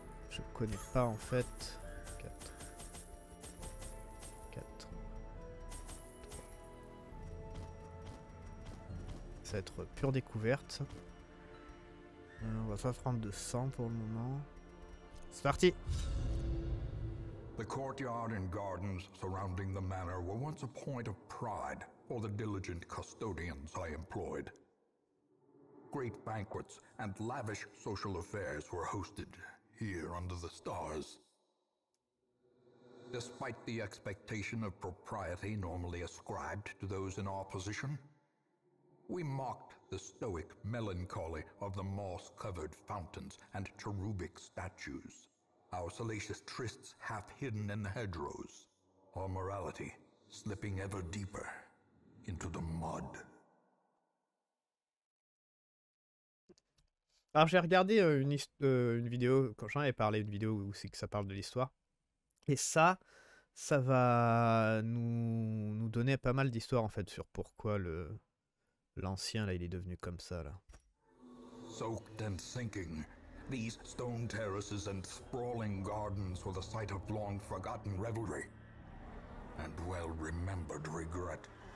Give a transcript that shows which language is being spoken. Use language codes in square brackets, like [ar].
[fr] Je connais pas en fait. 4. 4. 3. Ça va être pure découverte. On va pas prendre de sang pour le moment. C'est parti! [en] The courtyard and gardens surrounding the manor were once a point of pride for the diligent custodians I employed. Great banquets and lavish social affairs were hosted here under the stars. The despite the expectation of propriety normally ascribed to those in our position, we mocked the stoic melancholy of the moss-covered fountains and cherubic statues, our salacious trysts half-hidden in the hedgerows, our morality slipping ever deeper into the mud. [fr] Alors j'ai regardé une vidéo, quand j'en avais parlé, une vidéo où c'est que ça parle de l'histoire. Et ça va nous donner pas mal d'histoires en fait sur pourquoi l'ancien là, il est devenu comme ça là. [en] Soaked and sinking, these stone terraces and sprawling gardens were the site of long forgotten revelry and well remembered regret.